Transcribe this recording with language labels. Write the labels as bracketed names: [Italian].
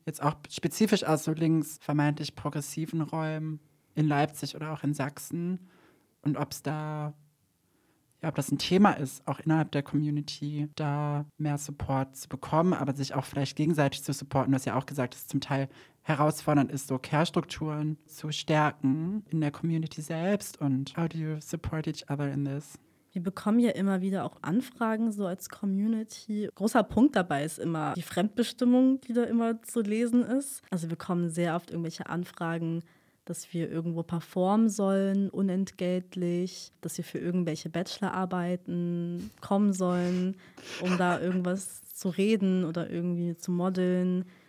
[German] Jetzt auch spezifisch aus so links vermeintlich progressiven Räumen in Leipzig oder auch in Sachsen. Und ob es da, ja, ob das ein Thema ist, auch innerhalb der Community, da mehr Support zu bekommen, aber sich auch vielleicht gegenseitig zu supporten, was ja auch gesagt ist, zum Teil herausfordernd ist, so Care-Strukturen zu stärken in der Community selbst. [English] Und how do you support each other in this? [German] Wir bekommen ja immer wieder auch Anfragen so als Community. Großer Punkt dabei ist immer die Fremdbestimmung, die da immer zu lesen ist. Also wir bekommen sehr oft irgendwelche Anfragen, dass wir irgendwo performen sollen, unentgeltlich, dass wir für irgendwelche Bachelorarbeiten kommen sollen, um da irgendwas zu reden oder irgendwie zu modeln.